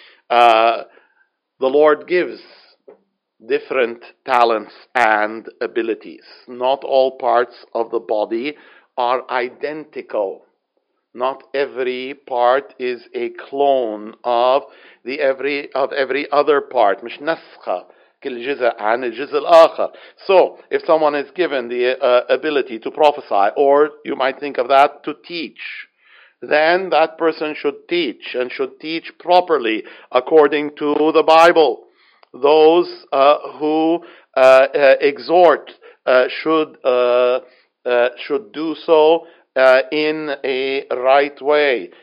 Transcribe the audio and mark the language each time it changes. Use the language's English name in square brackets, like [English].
[English] The Lord gives different talents and abilities. Not all parts of the body are identical. Not every part is a clone of every other part. [Arabic] مش نسخة كل جزء عن الجزء الآخر. [English] So, if someone is given the ability to prophesy, or you might think of that, to teach, then that person should teach, and should teach properly according to the Bible. Those who exhort should do so in a right way.